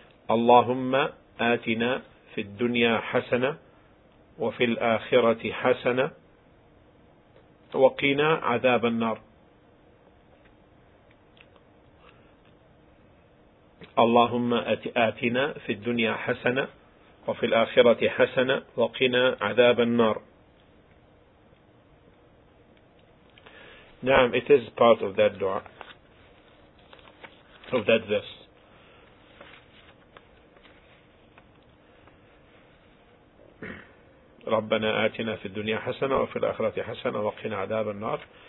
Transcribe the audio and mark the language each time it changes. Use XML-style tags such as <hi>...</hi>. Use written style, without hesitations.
<ar>اللهم آتنا في الدنيا حسنة وفي الآخرة حسنة وقنا عذاب النار. اللهم آتنا في الدنيا حسنة وفي الآخرة حسنة وقنا عذاب النار.</ar> <en>نعم, it is part of that dua, of that verse.</en> <ar>ربنا آتنا في الدنيا حسنة وفي الآخرة حسنة وقنا عذاب النار.</ar>